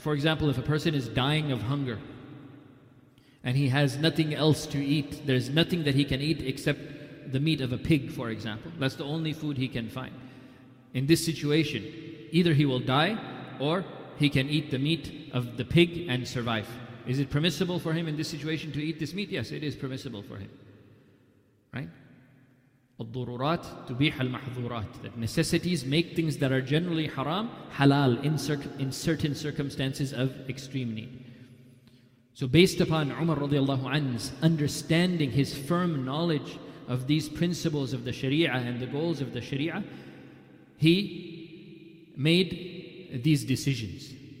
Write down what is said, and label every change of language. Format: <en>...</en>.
<en>For example, if a person is dying of hunger and he has nothing else to eat, there's nothing that he can eat except the meat of a pig, for example. That's the only food he can find. In this situation, either he will die or he can eat the meat of the pig and survive. Is it permissible for him in this situation to eat this meat? Yes, it is permissible for him. Right?</en> <ar>الضرورات تبيح المحظورات.</ar> <en>That necessities make things that are generally haram halal in certain circumstances of extreme need. So based upon Umar radiallahu anhu's understanding, his firm knowledge of these principles of the Sharia and the goals of the Sharia, he made these decisions.</en>